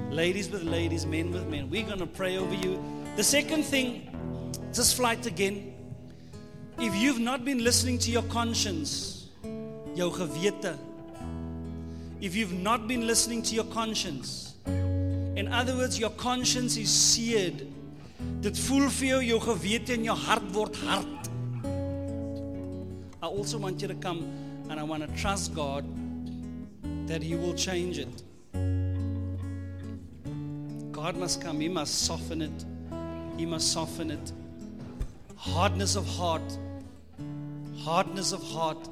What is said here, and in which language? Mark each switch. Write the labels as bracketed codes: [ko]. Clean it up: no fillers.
[en] Ladies with ladies, men with men. We're going to pray over you. The second thing, just flight again. If you've not been listening to your conscience, your gewete, if you've not been listening to your conscience, in other words, your conscience is seared. [af] Dit voel vir jou, jou gewete en jou hart word hard. [en] I also want you to come and I want to trust God that He will change it. God must come. He must soften it. He must soften it. Hardness of heart. Hardness of heart.